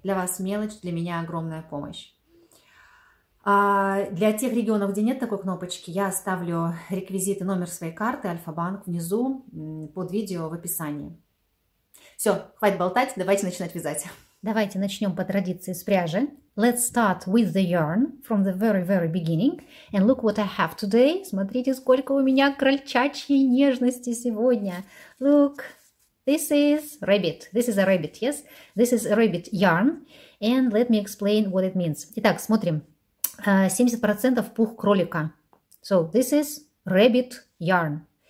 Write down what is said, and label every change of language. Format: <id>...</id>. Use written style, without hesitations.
<ru>Для вас мелочь, для меня огромная помощь. А для тех регионов, где нет такой кнопочки, я оставлю реквизиты, номер своей карты «Альфа-банк» внизу под видео в описании. Все, хватит болтать, давайте начинать вязать. Давайте начнем по традиции с пряжи.</ru> <en>Let's start with the yarn from the very, very beginning. And look what I have today.</en> <ru>Смотрите, сколько у меня крольчачьей нежности сегодня.</ru> <en>Look, this is rabbit. This is a rabbit, yes? This is a rabbit yarn. And let me explain what it means.</en> <ru>Итак, смотрим. 70% пух кролика.</ru> <en>So this is rabbit yarn.</en>